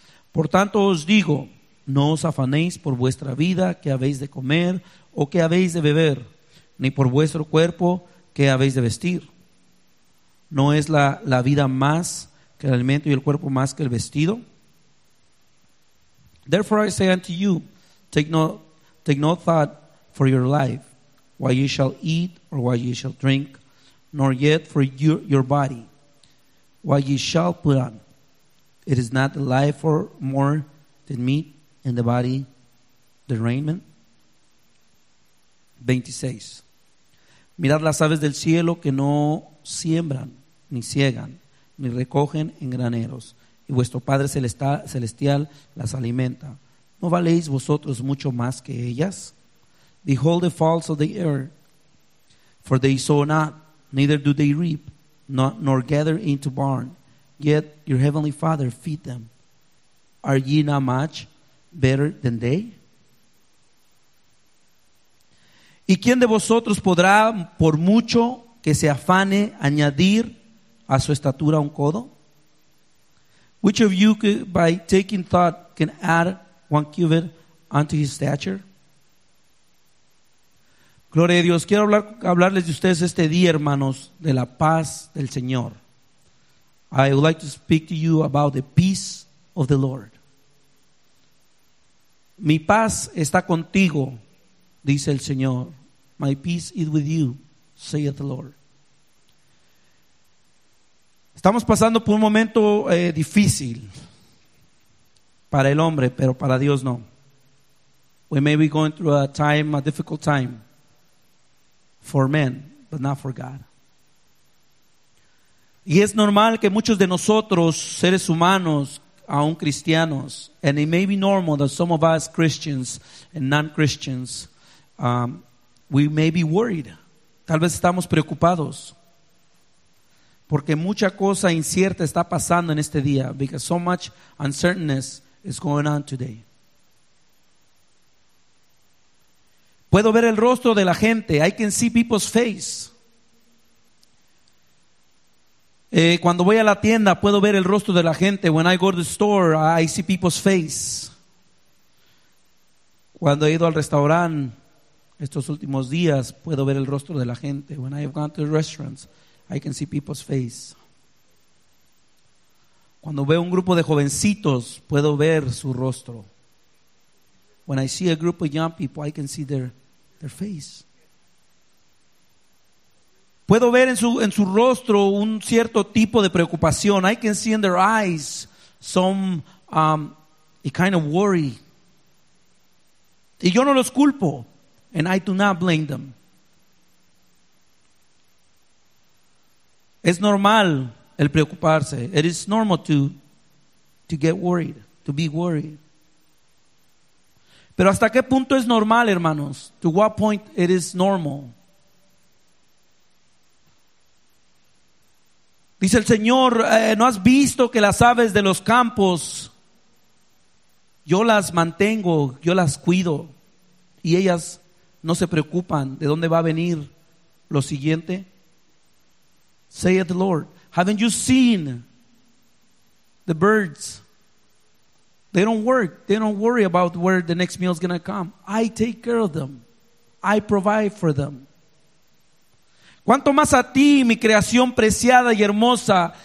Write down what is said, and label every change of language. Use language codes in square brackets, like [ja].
[es] Por tanto os digo, no os afanéis por vuestra vida, qué habéis de comer o qué habéis de beber, ni por vuestro cuerpo, qué habéis de vestir. ¿No es la vida más que el alimento y el cuerpo más que el vestido? [en] Therefore I say unto you, take no thought for your life, what ye shall eat or what ye shall drink, nor yet for your body, what ye shall put on. It is not the life for more than meat, and the body the raiment. 26. [es] Mirad las aves del cielo que no siembran, ni siegan, ni recogen en graneros, y vuestro Padre celestial las alimenta. ¿No valéis vosotros mucho más que ellas? [en] Behold the fowls of the air, for they sow not, neither do they reap, nor gather into barn, yet your heavenly Father feed them. Are ye not much better than they? [es] ¿Y quién de vosotros podrá, por mucho que se afane, añadir a su estatura un codo? [en] Which of you could, by taking thought, can add one cubit unto his stature? [es] Gloria a Dios. Quiero hablarles de ustedes este día, hermanos, de la paz del Señor. [en] I would like to speak to you about the peace of the Lord. [es] Mi paz está contigo, dice el Señor. [en] My peace is with you, saith the Lord. [es] Estamos pasando por un momento difícil para el hombre, pero para Dios no. [en] We may be going through a difficult time for men, but not for God. [es] Y es normal que muchos de nosotros, seres humanos, aún cristianos, [en] and it may be normal that some of us Christians and non-Christians, we may be worried. [es] Tal vez estamos preocupados. Porque mucha cosa incierta está pasando en este día. [en] Because so much uncertainty is going on today. [es] Puedo ver el rostro de la gente. [en] I can see people's face. [es] Cuando voy a la tienda, puedo ver el rostro de la gente. [en] When I go to the store, I see people's face. [es] Cuando he ido al restaurante estos últimos días, puedo ver el rostro de la gente. [en] When I have gone to the restaurants, I can see people's face. [es] Cuando veo un grupo de jovencitos, puedo ver su rostro. [en] When I see a group of young people, I can see their face. [es] Puedo ver en su rostro un cierto tipo de preocupación. [en] I can see in their eyes some a kind of worry. [es] Y yo no los culpo. [en] And I do not blame them. [es] Es normal el preocuparse. [en] It is normal to get worried, to be worried. [es] Pero ¿hasta qué punto es normal, hermanos? [en] To what point it is normal? [es] Dice el Señor, ¿no has visto que las aves de los campos Yo las mantengo, yo las cuido. Y ellas no se preocupan de dónde va a venir lo siguiente. [en] Say it, Lord. Haven't you seen the birds? They don't work. They don't worry about where the next meal is going to come. I take care of them. I provide for them. [es] ¿Cuánto más a ti, mi creación preciada y hermosa?